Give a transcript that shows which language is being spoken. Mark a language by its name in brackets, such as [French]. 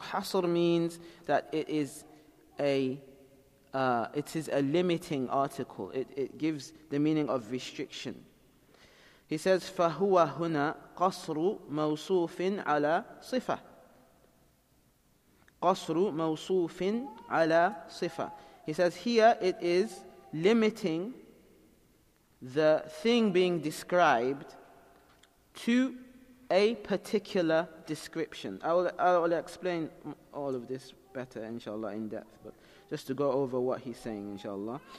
[English] حَصْر means that it is a limiting article. It gives the meaning of restriction. He says, [Arabic] فَهُوَ هُنَا قَصْرُ مَوْصُوفٍ عَلَى صِفَةٍ. قَصْرُ مَوْصُوفٍ عَلَى صِفَةٍ. [English] He says, here it is limiting the thing being described to a particular description. I will explain all of this better, inshallah, in depth, but just to go over what he's saying, inshallah.